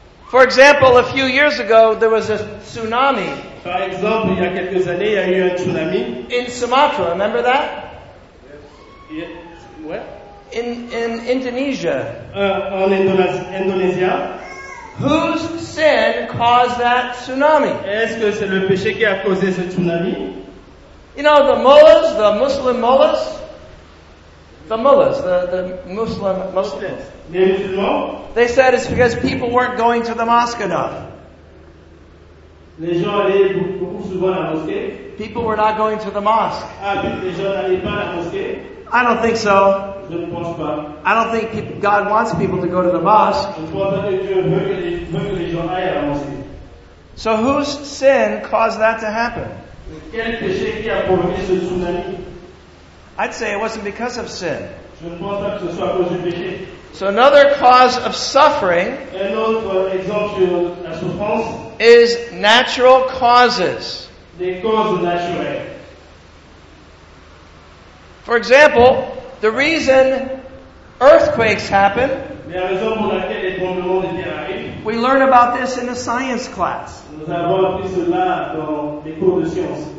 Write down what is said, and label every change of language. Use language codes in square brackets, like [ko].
[en] For example, a few years ago, there was a tsunami. [fr] Par exemple, il y a quelques années, il y a eu un tsunami. [en] In Sumatra, remember that? Yes. What? In Indonesia. [fr] En Indonesia. [en] Whose sin caused that tsunami? [fr] Est-ce que c'est le péché qui a causé ce tsunami? [en] You know, the mullahs, the Muslim mullahs. The mullahs, the Muslim Muslims. [fr] Les musulmans? [en] They said it's because people weren't going to the mosque enough. [fr] Les gens allaient beaucoup souvent à la mosquée. [en] People were not going to the mosque. [fr] Ah, les gens n'allaient pas à la mosquée. [en] I don't think so. [fr] Je ne pense pas. [en] I don't think God wants people to go to the mosque. [fr] Je pense que Dieu veut que les gens aillent à la mosquée. [en] So whose sin caused that to happen? [fr] Quel péché qui a provoqué ce tsunami? [en] I'd say it wasn't because of sin. [fr] Je ne pense pas que ce soit à cause du péché. [en] So another cause of suffering, [fr] un autre exemple de la souffrance, [en] is natural causes. [fr] Des causes naturelles. [en] For example, the reason earthquakes happen, [fr] mais la raison pour laquelle les tremblements de terre arrivent, [en] we learn about this in a science class. [fr] Nous avons appris cela dans les cours de sciences.